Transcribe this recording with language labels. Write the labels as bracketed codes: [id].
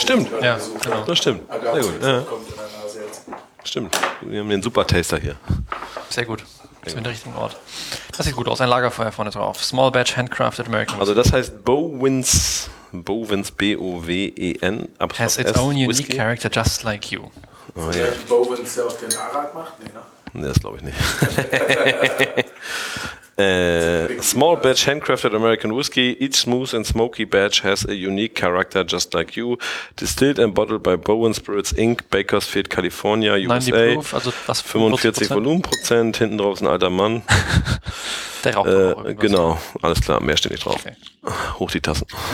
[de] Stimmt. Ja, genau. Das stimmt. Sehr gut. Ja. Kommt in der Nase jetzt. Stimmt. Wir haben den Super Taster hier. Sehr gut. Sind wir im richtigen Ort. Das sieht gut aus. Ein Lagerfeuer vorne drauf. [en] Small Batch Handcrafted American. [de] Also das heißt Bowens, B-O-W-E-N. [en] Has its own unique Whisky. Character just like you. [de] Oh, ja. Vielleicht Bowens, der auch den Arak macht? Nee, ne? Nee, das glaube ich nicht. [en] Small Batch Handcrafted American Whiskey. Each smooth and smoky batch has a unique character just like you. Distilled and bottled by Bowen Spirits Inc., Bakersfield, California, USA. 90 [de] proof, also was, 45 Volumenprozent. Hinten drauf ist ein alter Mann. Der raucht genau, alles klar, mehr steht nicht drauf. Okay. Hoch die Tassen.